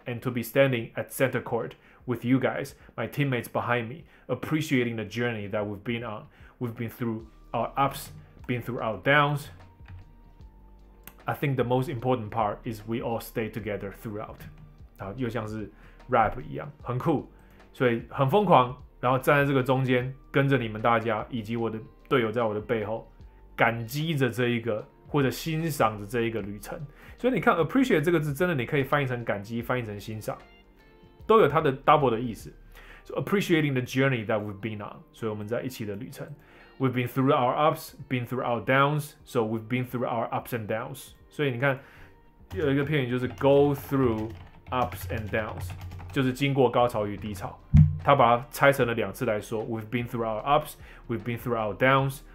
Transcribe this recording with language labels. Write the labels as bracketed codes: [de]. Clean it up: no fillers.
[en] And to be standing at center court with you guys, my teammates behind me, appreciating the journey that we've been on. We've been through our ups, been through our downs. I think the most important part is we all stay together throughout. [zh] 好，又像是 rap 一样，很酷。所以很疯狂，然后站在这个中间，跟着你们大家，以及我的队友在我的背后，感激着这一个或者欣赏着这一个旅程，所以你看 appreciate 这个字真的你可以翻译成感激，翻译成欣赏，都有它的 double 的意思。 [en] So appreciating the journey that we've been on， [zh] 所以我们在一起的旅程。 [en] We've been through our ups, been through our downs, so we've been through our ups and downs。 [zh] 所以你看有一个片语就是 [en] go through ups and downs， [zh] 就是经过高潮与低潮。他把它拆成了两次来说 ， [en] We've been through our ups, we've been through our downs。